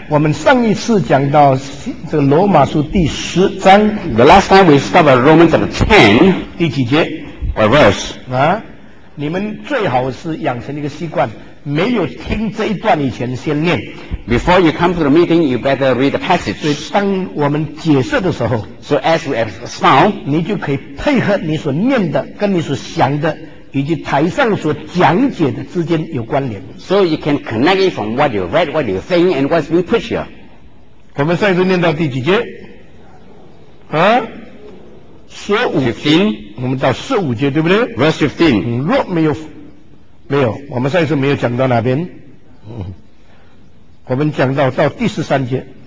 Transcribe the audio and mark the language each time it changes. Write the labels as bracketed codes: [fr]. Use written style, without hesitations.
[zh] 我们上一次讲到这个罗马书第十章。 [en] The last time we stopped at Romans chapter 10. [zh] 第几节 [en] ？What verse? [zh] 啊，你们最好是养成一个习惯，没有听这一段以前先念。 [en] Before you come to the meeting, you better read the passage. [zh] 所以当我们解释的时候 [en] ，So as we expound, [zh] 你就可以配合你所念的跟你所想的。以及台上所讲解的之间有关联。 [en] So you can connect it from what you read, what you think, and what's being put here. [zh] 我们上一次念到第几节？啊，十五。 [en] 15。 [zh] 我们到十五节，对不对 [en] ？Verse 15。 [zh] 嗯，若没有，没有，我们上一次没有讲到哪边？嗯，我们讲到到第十三节。